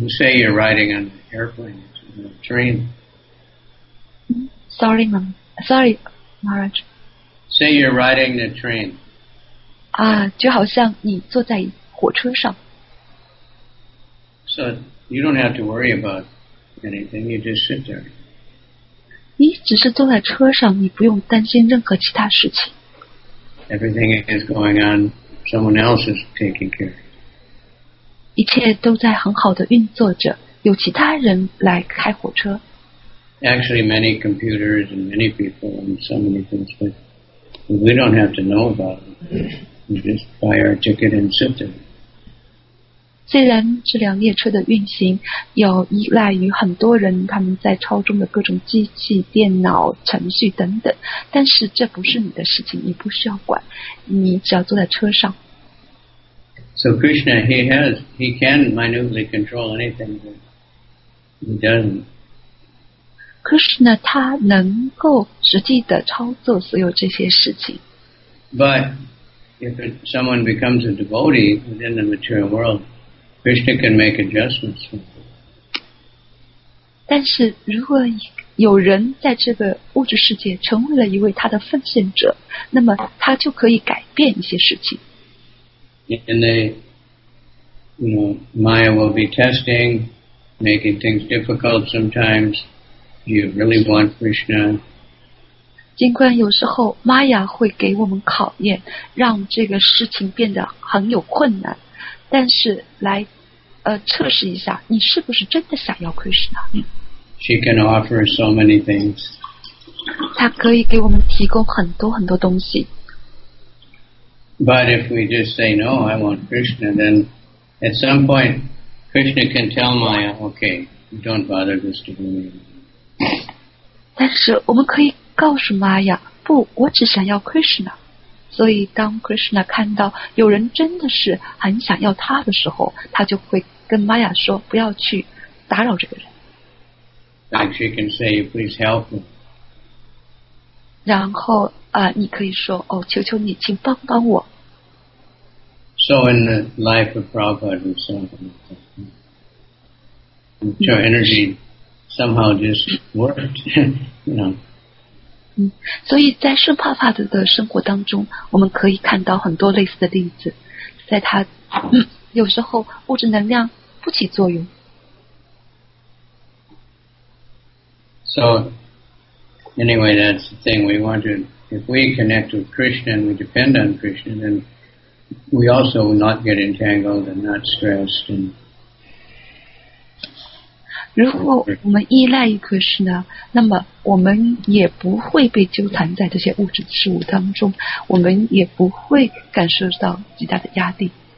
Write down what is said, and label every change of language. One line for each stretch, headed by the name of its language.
English: You say you're riding on an airplane, on a train. Sorry, Mom. Sorry, Maharaj. Say you're riding the train.
Chinese: 就好像你坐在火车上。
English: So you don't have to worry about anything. You just sit there.
Chinese: 你只是坐在车上，你不用担心任何其他事情。
English: Everything is going on. Someone else is taking care of it.
Chinese: 一切都在很好的运作着，有其他人来开火车。
English: Actually, many computers and many people and so many things, but we don't have to know about it. We just buy our ticket and sit there.
Chinese: 虽然这辆列车的运行要依赖于很多人他们在操纵的各种机器、电脑、程序等等，但是这不是你的事情，你不需要管，你只要坐在车上。
English: So Krishna, he can minutely control anything, but he doesn't.
Chinese: Krishna, 他能够实际地操作所有这些事情。
English: But if someone becomes a devotee within the material world, Krishna can make adjustments.
Chinese: 但是如果有人在这个物质世界成为了一位他的奉献者，那么他就可以改变一些事情。
English: And they, you know, Maya will be testing, making things difficult sometimes. Do you really want Krishna?
Chinese: 尽管有时候 Maya 会给我们考验，让这个事情变得很有困难，但是来测试一下，你是不是真的想要 Krishna?
English: She can offer so many things.
Chinese: 她可以给我们提供很多很多东西。
English: But if we just say no, I want Krishna, then at some point Krishna can tell Maya, okay, don't bother this to me.
Chinese: 但是我们可以告诉 Maya, 不，我只想要 Krishna. 所以当 Krishna 看到有人真的是很想要他的时候，他就会跟 Maya 说不要去打扰这个人。
English: Like she can say, please help me.
Chinese: 然后你可以说哦，求求你，请帮帮我。
English: So in the life of Prabhupada, we saw material energy somehow just worked, you know.
Chinese: 所以在圣帕帕德的生活当中，我们可以看到很多类似的例子，在他有时候物质能量不起作用。
English: So anyway, that's the thing. We want to, if we connect with Krishna and we depend on Krishna, then we also will not get entangled and not stressed. And
Chinese: 如果我们依赖于 Krishna， 那么我们也不会被纠缠在这些物质事物当中，我们也不会感受到极大的压力。